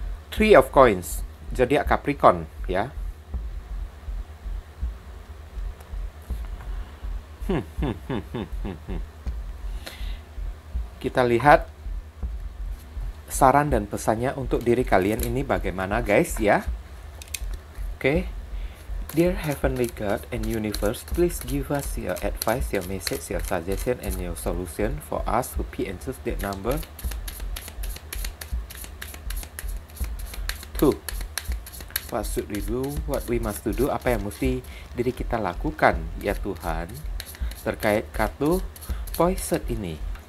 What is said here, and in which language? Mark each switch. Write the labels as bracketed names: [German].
[English] Three of Coins, Zodiac Capricorn, ya. [Indonesian] Kita lihat saran dan pesannya untuk diri kalian ini bagaimana, guys, ya. Oke, okay. [English] Dear Heavenly God and Universe, please give us your advice, your message, your suggestion, and your solution for us who pick and choose that number 2. What should we do? What we must do? [Indonesian] Apa yang mesti diri kita lakukan, ya Tuhan, terkait kartu Poised ini?